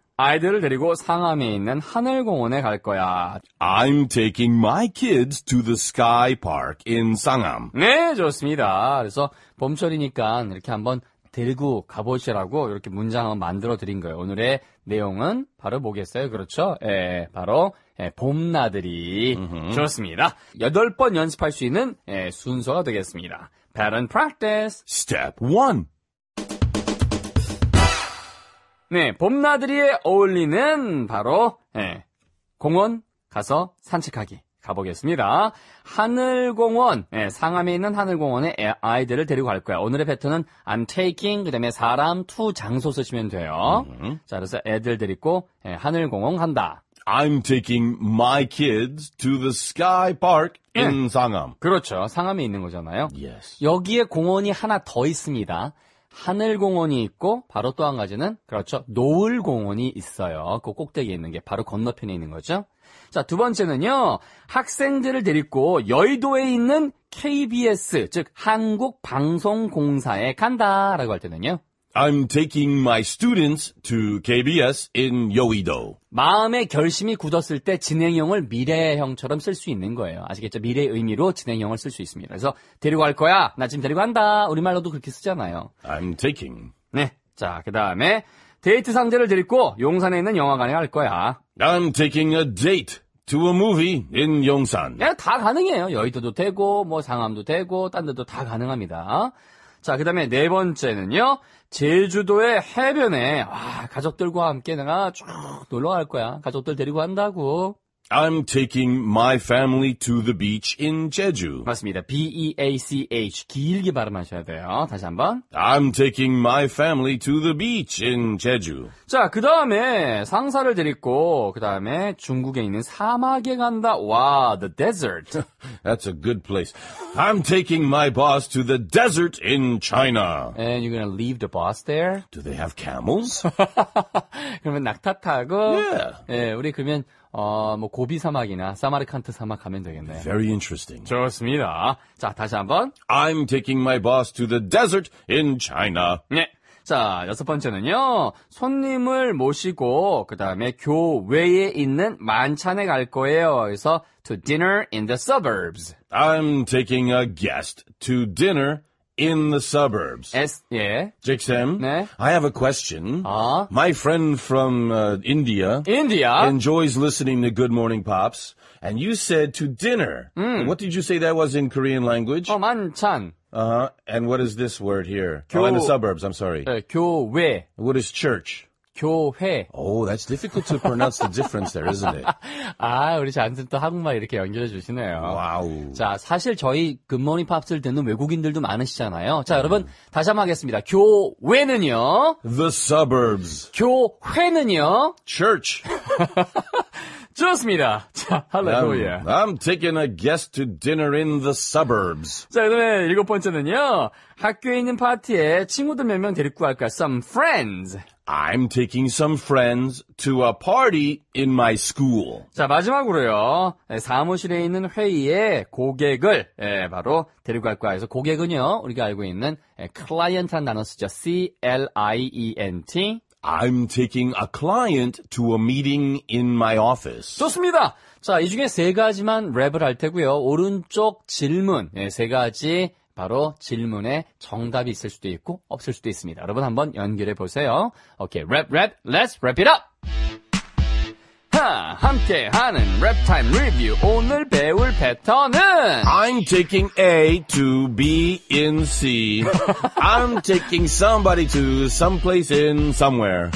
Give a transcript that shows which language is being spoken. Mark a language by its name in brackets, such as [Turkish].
[Korean] 아이들을 데리고 상암에 있는 하늘공원에 갈 거야. [English] I'm taking my kids to the sky park in 상암. [Korean] 네, 좋습니다. 그래서 봄철이니까 이렇게 한번 들고 가보시라고 이렇게 문장을 만들어 드린 거예요. 오늘의 내용은 바로 뭐겠어요? 그렇죠? 예, 바로 예, 봄나들이. 좋습니다. 8번 연습할 수 있는 예, 순서가 되겠습니다. [English] Pattern practice. Step 1. [Korean] 네, 봄나들이에 어울리는 바로 예, 공원 가서 산책하기 가보겠습니다. 하늘공원, 예, 상암에 있는 하늘공원에 아이들을 데리고 갈 거야. 오늘의 패턴은 [English] I'm taking, [Korean] 그 다음에 사람, to, 장소 쓰시면 돼요. 자, 그래서 애들 데리고 예, 하늘공원 간다. [English] I'm taking my kids to the sky park in 예. [Korean] 상암. 그렇죠, 상암에 있는 거잖아요. [English] Yes. [Korean] 여기에 공원이 하나 더 있습니다. 하늘공원이 있고 바로 또 한 가지는 그렇죠 노을공원이 있어요. 그 꼭대기에 있는 게 바로 건너편에 있는 거죠. 자, 두 번째는요. 학생들을 데리고 여의도에 있는 KBS, 즉 한국방송공사에 간다라고 할 때는요. [English] I'm taking my students to KBS in 여의도. [Korean] 마음의 결심이 굳었을 때 진행형을 미래형처럼 쓸 수 있는 거예요. 아시겠죠? 미래의 의미로 진행형을 쓸 수 있습니다. 그래서 데리고 갈 거야. 나 지금 데리고 간다. 우리말로도 그렇게 쓰잖아요. [English] I'm taking. [Korean] 네. 자, 그 다음에 데이트 상대를 데리고 용산에 있는 영화관에 갈 거야. [English] I'm taking a date. To a movie in 용산. [Korean] 예, 다 가능해요. 여의도도 되고 뭐 상암도 되고 딴 데도 다 가능합니다. 자, 그 다음에 네 번째는요. 제주도의 해변에 와, 가족들과 함께 내가 쭉 놀러 갈 거야. 가족들 데리고 간다고. [English] I'm taking my family to the beach in Jeju. [Korean] 맞습니다. B-E-A-C-H. 길게 발음하셔야 돼요. 다시 한번. [English] I'm taking my family to the beach in Jeju. [Korean] 자, 그 다음에 상사를 데리고 그 다음에 중국에 있는 사막에 간다. [English] 와, the desert. That's a good place. I'm taking my boss to the desert in China. And you're gonna leave the boss there? Do they have camels? [Korean] 그러면 낙타 타고 [English] yeah. [Korean] 예, 우리 그러면 뭐 고비 사막이나 사마르칸트 사막 가면 되겠네요. [English] Very interesting. [Korean] 좋습니다. 자, 다시 한번. [English] I'm taking my boss to the desert in China. [Korean] 네. 자, 여섯 번째는요. 손님을 모시고 그다음에 교외에 있는 만찬에 갈 거예요. 그래서 [English] to dinner in the suburbs. I'm taking a guest to dinner in the suburbs. [Korean] S, 예. [English] Jake Sam, [Korean] 네. I have a question. 아? [English] My friend from India. India? Enjoys listening to Good Morning Pops. And you said to dinner. What did you say that was in Korean language? [Korean] 만찬. [English] And what is this word here? 교, in the suburbs, I'm sorry. [Korean] 교회. [English] What is church? [Korean] 교회. [English] Oh, that's difficult to pronounce the difference there, isn't it? [Korean] 아, 우리 잔슨 또 한국말 이렇게 연결해 주시네요. 와우. 자, 사실 저희 굿모닝 팝스를 듣는 외국인들도 많으시잖아요. 자, 여러분, 다시 한번 하겠습니다. 교회는요? [English] The suburbs. [Korean] 교회는요? [English] Church. [Korean] 좋습니다. 자, 할렐루야. [English] I'm taking a guest to dinner in the suburbs. [Korean] 자, 그 다음에 일곱 번째는요. 학교에 있는 파티에 친구들 몇 명 데리고 갈까? [English] Some friends. I'm taking some friends to a party in my school. [Korean] 자, 마지막으로요. 사무실에 있는 회의에 고객을 예, 바로 데리고 갈 거야. 그래서 고객은요, 우리가 알고 있는 client라는 단어 쓰죠. C-L-I-E-N-T. [English] I'm taking a client to a meeting in my office. [Korean] 좋습니다. 자, 이 중에 세 가지만 랩을 할 테고요. 오른쪽 질문, 예, 세 가지 바로 질문에 정답이 있을 수도 있고 없을 수도 있습니다. 여러분 한번 연결해 보세요. [English] 오케이, 랩, 랩, let's wrap it up! [Korean] 함께하는 랩타임 리뷰. 오늘 배울 패턴은 [English] I'm taking A to B in C. I'm taking somebody to someplace in somewhere.